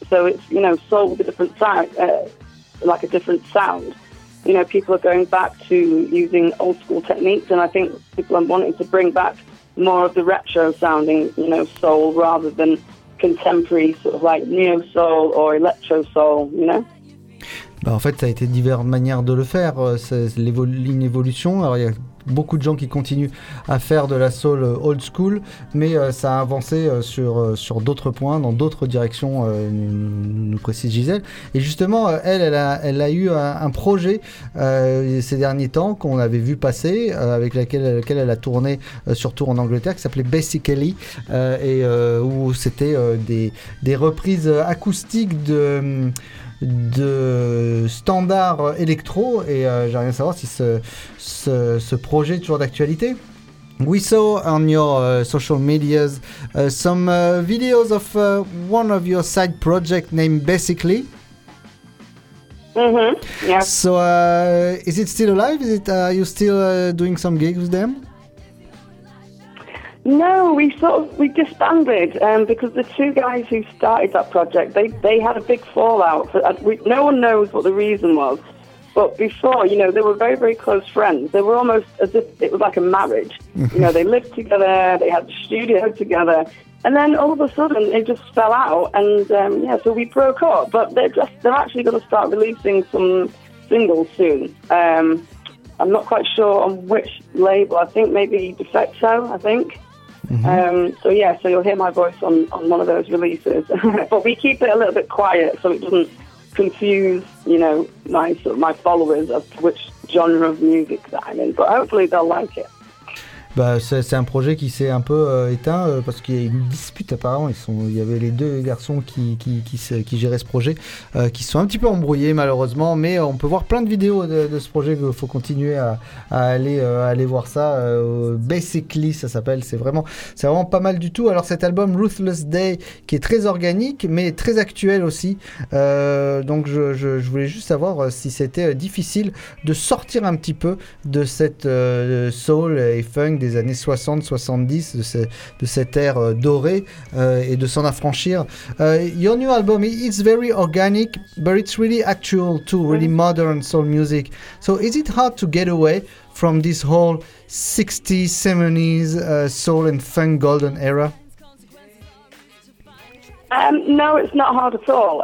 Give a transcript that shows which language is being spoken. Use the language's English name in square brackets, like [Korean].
[English] So it's, you know, soul with a different sound, like a different sound. You know, people are going back to using old school techniques, and I think people are wanting to bring back more of the retro sounding, you know, soul rather than contemporary sort of like neo soul or electro soul, you know. [French] Bah en fait, ça a été diverses manières de le faire. C'est une évolution. Alors, il y a beaucoup de gens qui continuent à faire de la soul old school, mais ça a avancé sur d'autres points, dans d'autres directions, nous précise Gisèle. Et justement, elle a eu un projet ces derniers temps qu'on avait vu passer, avec laquelle elle a tourné, surtout en Angleterre, qui s'appelait Basically, où c'était des reprises acoustiques de standard électro, et j'ai rien à savoir si ce projet est toujours d'actualité. [English] We saw on your social medias some videos of one of your side projects named Basically. Mm-hmm. Yeah. So is it still alive? Is it are you still doing some gigs with them? No, we disbanded because the two guys who started that project, they had a big fallout. No one knows what the reason was. But before, you know, they were very, very close friends. They were almost as if it was like a marriage. You know, they lived together, they had a studio together. And then all of a sudden, they just fell out. And so we broke up. But they're actually going to start releasing some singles soon. I'm not quite sure on which label. I think maybe Defecto, I think. Mm-hmm. So you'll hear my voice on one of those releases. But we keep it a little bit quiet so it doesn't confuse, you know, my sort of my followers of which genre of music that I'm in. But hopefully they'll like it. [French] Bah, c'est un projet qui s'est un peu éteint parce qu'il y a une dispute apparemment. Il y avait les deux garçons qui géraient ce projet qui sont un petit peu embrouillés malheureusement, mais on peut voir plein de vidéos de ce projet. Il faut continuer à aller voir ça. Basically, ça s'appelle. C'est vraiment pas mal du tout. Alors cet album Ruthless Day qui est très organique mais très actuel aussi, donc je voulais juste savoir si c'était difficile de sortir un petit peu de cette soul et funk des années 60-70, de cette ère dorée, et de s'en affranchir. [English] Your new album, it's very organic, but it's really actual too, really modern soul music. So is it hard to get away from this whole 60s, 70s soul and funk golden era? No, it's not hard at all.